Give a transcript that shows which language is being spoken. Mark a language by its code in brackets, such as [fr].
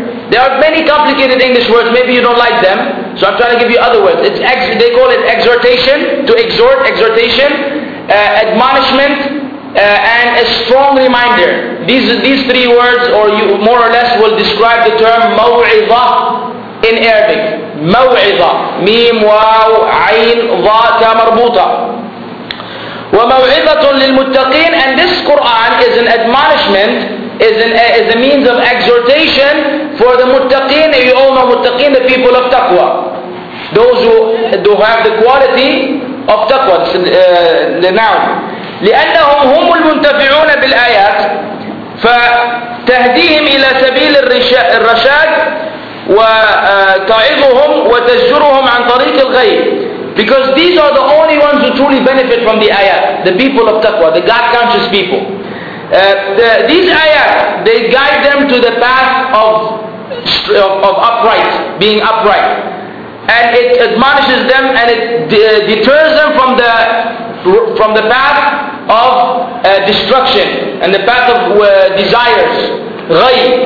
[en] There are many complicated English words, maybe you don't like them, so I'm trying to give you other words. They call it exhortation, to exhort, exhortation, admonishment, and a strong reminder. These three words, or you more or less, will describe the term مَوْعِظَة in Arabic. [ar] مَوْعِظَة, ميم واو عين ضاء مربوطة. وَمَوْعِظَةٌ لِلْمُتَّقِينَ. [en] And this Quran is an admonishment, is a means of exhortation for the muttaqeen. You all know muttaqeen, the people of taqwa, those who have the quality of taqwa, the noun. [ar] لأنهم هم المنتفعون بالآيات فتهديهم إلى سبيل الرشاد وتعظهم وتزجرهم عن طريق الغي. [en] Because these are the only ones who truly benefit from the ayat, the people of taqwa, the God-conscious people. These ayat, they guide them to the path of upright, being upright. And it admonishes them and it deters them from the path of destruction and the path of desires, غي.